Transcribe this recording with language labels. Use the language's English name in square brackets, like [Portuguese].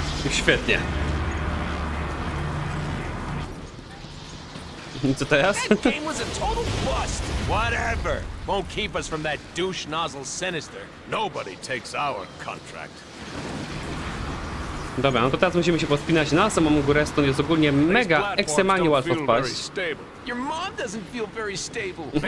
[Polish] Świetnie. Co teraz? [English] That game was a total bust. Whatever. Won't keep us from that douche nozzle Sinister. Nobody takes our contract. [Polish] Dobra, no to teraz musimy się podpinać na samą górę, stąd jest ogólnie mega ekstremalnie łatwo wpaść. [English] Your mom doesn't feel very stable.